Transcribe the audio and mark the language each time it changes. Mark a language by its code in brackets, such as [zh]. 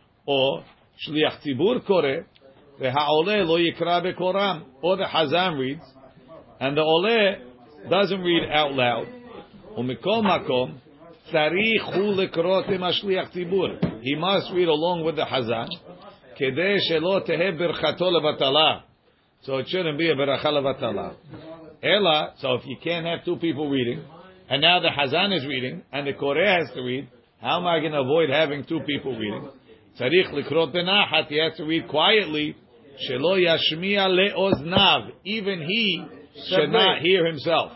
[en] Or, [he] שליח ציבור קורא, והעולה לא יקרא בקורם. [en] Or the Hazan reads, and the עולה doesn't read out loud. [he] ומכל מקום, צריך הוא לקרות עם השליח ציבור. [en] He must read along with the Hazan, [he] כדי שלא תהה ברכתו לבטלה. [en] So it shouldn't be a ברכה לבטלה. [he] אלא, [en] so if you can't have two people reading, and now the Hazan is reading, and the Koreh has to read, how am I going to avoid having two people reading? [he] Tzarich likrot benachat, [en] he has to read quietly, [he] shelo yashmiya le'oznav, [en] even he should not hear himself.